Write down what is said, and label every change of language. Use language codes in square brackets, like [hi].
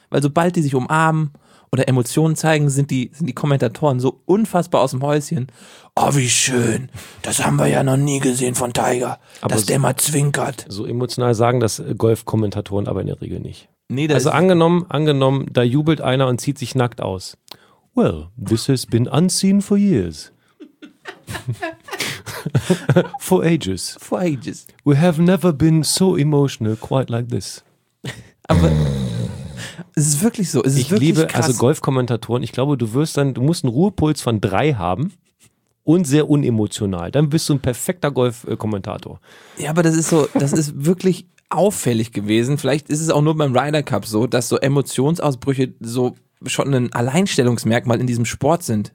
[de] Weil sobald die sich umarmen oder Emotionen zeigen, sind die Kommentatoren so unfassbar aus dem Häuschen. Oh, wie schön. Das haben wir ja noch nie gesehen von Tiger. Aber dass der mal zwinkert. So emotional sagen das Golf-Kommentatoren aber in der Regel nicht. Nee, also angenommen, da jubelt einer und zieht sich nackt aus. [en] Well, this has been unseen for years. For ages. We have never been so emotional quite like this. [de] Aber es ist wirklich so. Es ist wirklich krass. Also Golfkommentatoren, ich glaube, du musst einen Ruhepuls von 3 haben. und sehr unemotional. Dann bist du ein perfekter Golf-Kommentator. Ja, aber das ist so, das ist wirklich auffällig gewesen. Vielleicht ist es auch nur beim Ryder Cup so, dass so Emotionsausbrüche so schon ein Alleinstellungsmerkmal in diesem Sport sind.